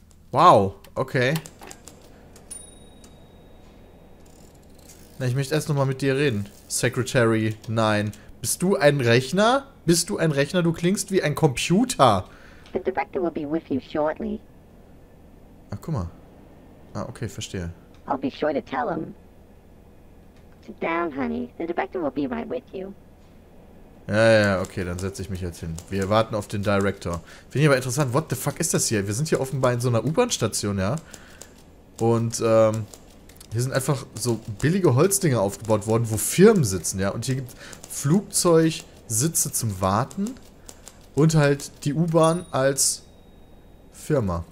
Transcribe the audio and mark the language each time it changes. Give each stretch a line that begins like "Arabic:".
German: Wow. Okay. Na, ich möchte erst nochmal mit dir reden. Secretary, nein. Bist du ein Rechner? Bist du ein Rechner? Du klingst wie ein Computer.
English: The director will be with you shortly.
German: Ach, guck mal. Ah, okay, verstehe.
English: I'll be sure to tell him. Sit down, honey. The director will be right with you.
German: Ja, ja, okay, dann setze ich mich jetzt hin. Wir warten auf den Director. Finde ich aber interessant.
English: What the fuck
German: ist das hier? Wir sind hier offenbar in so einer U-Bahn-Station, ja? Und, hier sind einfach so billige Holzdinger aufgebaut worden, wo Firmen sitzen, ja? Und hier gibt es Flugzeugsitze zum Warten und halt die U-Bahn als... Firma.